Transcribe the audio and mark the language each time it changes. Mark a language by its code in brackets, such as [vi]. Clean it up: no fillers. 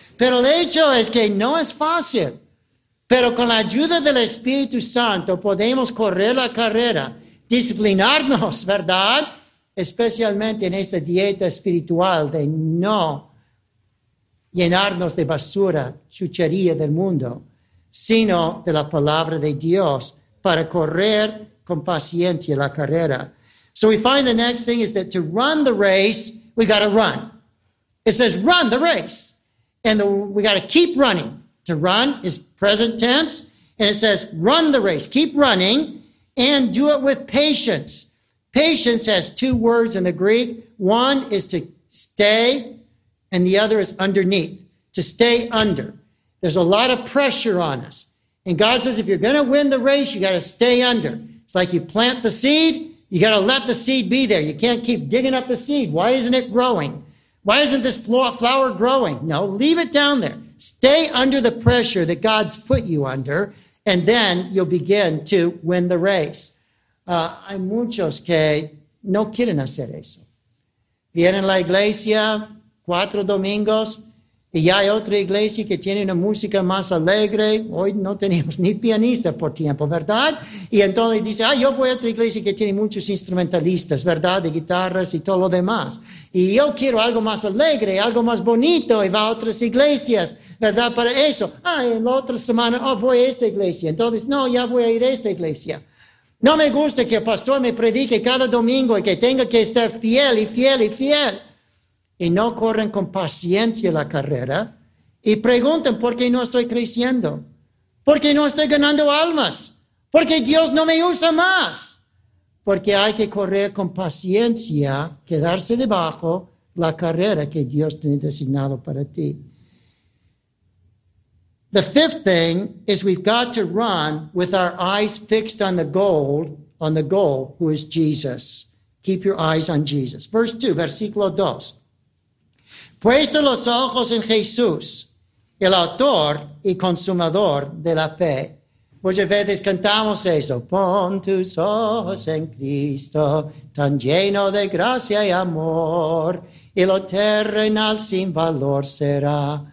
[es] Pero el hecho es que no es fácil, pero con la ayuda del Espíritu Santo podemos correr la carrera, disciplinarnos, ¿verdad? Especialmente en esta dieta espiritual de no llenarnos de basura, chuchería del mundo, sino de la palabra de Dios para correr con paciencia la carrera. [en] So we find the next thing is that to run the race, we got to run. It says run the race. And we got to keep running. To run is present tense. And it says run the race, keep running, and do it with patience. Patience has two words in the Greek. One is to stay, and the other is underneath, to stay under. There's a lot of pressure on us. And God says, if you're going to win the race, you got to stay under. It's like you plant the seed, you got to let the seed be there. You can't keep digging up the seed. Why isn't it growing? Why isn't this flower growing? No, leave it down there. Stay under the pressure that God's put you under, and then you'll begin to win the race. [es] Hay muchos que no quieren hacer eso. Vienen a la iglesia cuatro domingos, y ya hay otra iglesia que tiene una música más alegre. Hoy no tenemos ni pianista por tiempo, ¿verdad? Y entonces dice, ah, yo voy a otra iglesia que tiene muchos instrumentalistas, ¿verdad? De guitarras y todo lo demás. Y yo quiero algo más alegre, algo más bonito, y va a otras iglesias, ¿verdad? Para eso. Ah, en la otra semana, oh, voy a esta iglesia. Entonces, no, ya voy a ir a esta iglesia. No me gusta que el pastor me predique cada domingo y que tenga que estar fiel y fiel y fiel. Y no corren con paciencia la carrera y preguntan por qué no estoy creciendo, por qué no estoy ganando almas, por qué Dios no me usa más. Porque hay que correr con paciencia, quedarse debajo la carrera que Dios tiene designado para ti. [en] The fifth thing is we've got to run with our eyes fixed on the goal, who is Jesus. Keep your eyes on Jesus. Verse 2, versículo 2. [es] Puesto los ojos en Jesús, el autor y consumador de la fe. Muchas veces cantamos eso. Pon tus ojos en Cristo, tan lleno de gracia y amor, y lo terrenal sin valor será.